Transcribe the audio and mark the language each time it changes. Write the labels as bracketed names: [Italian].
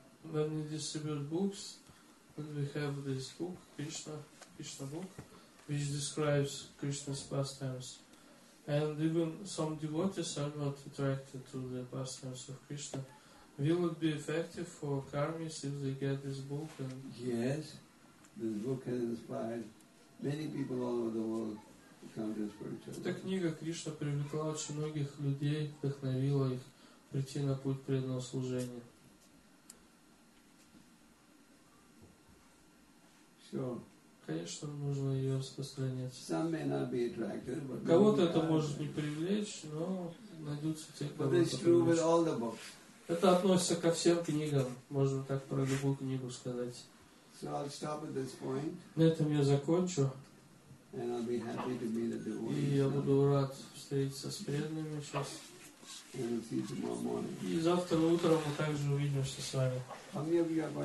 [English] When we distribute books, when we have this book, Krishna book, which describes Krishna's pastimes, and even some devotees are not attracted to the pastimes of Krishna, will it be effective for karmis if they get this book? And yes, this book has inspired many people all over the world to come to spiritual. [Russian] Эта книга Кришна привлекла очень многих людей, вдохновила их прийти на путь преданного служения. [English] Sure. [Russian] Конечно, нужно ее распространять. [English] Some may not be attracted, but [Russian] кого-то это может не привлечь, но найдутся те, кто это привлечет. Это относится ко всем книгам. Можно так про любую книгу сказать. [English] So I'll stop at this point. [Russian] На этом я закончу. [English] And I'll be happy to meet the devotees. [Russian] И я буду рад встретиться с преданными сейчас. [English] And we'll see you tomorrow morning. [Russian] И завтра утром мы также увидимся с вами.